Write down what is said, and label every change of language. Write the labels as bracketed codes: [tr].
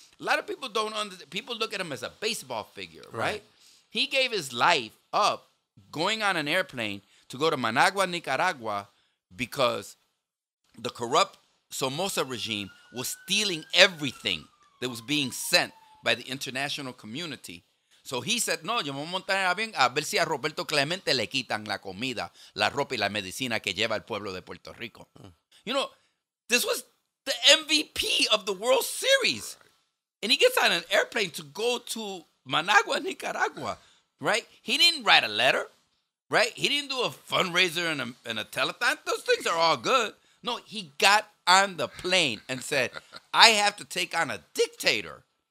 [en] A lot of people don't understand. People look at him as a baseball figure. Right? He gave his life up going on an airplane to go to Managua, Nicaragua, because the corrupt Somoza regime was stealing everything that was being sent by the international community. So he said, no, [es] yo me voy a montar en avión a ver si a Roberto Clemente le quitan la comida, la ropa y la medicina que lleva el pueblo de Puerto Rico. [en] You know, this was the MVP of the World Series. And he gets on an airplane to go to Managua, Nicaragua, right? He didn't write a letter. Right? He didn't do a fundraiser and a telethon. Those things are all good. No, he got on the plane and said, I have to take on a dictator.